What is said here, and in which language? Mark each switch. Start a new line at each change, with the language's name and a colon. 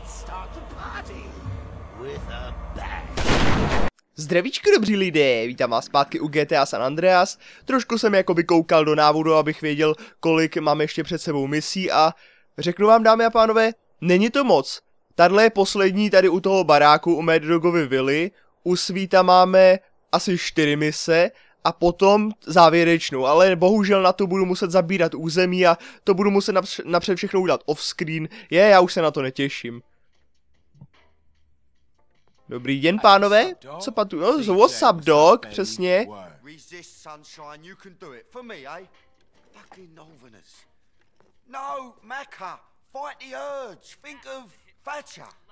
English: start the party with a bang.
Czech: Zdravíčko, dobrý lidé, vítám vás zpátky u GTA San Andreas. Trošku jsem jakoby koukal do návodu, abych věděl, kolik mám ještě před sebou misí a řeknu vám, dámy a pánové, není to moc. Tadle je poslední tady u toho baráku u Mad Dogovy vily, u Svíta máme asi 4 mise a potom závěrečnou, ale bohužel na to budu muset zabírat území a to budu muset napřed všechno udělat offscreen, já už se na to netěším. Dobrý den, pánové, co pan tu, no,
English: what's up, dog,
Czech: přesně.
English: Resist, sunshine, you can do it for me, eh? Fucking novenous. No, Mecca, fight the urge, think of Thatcher.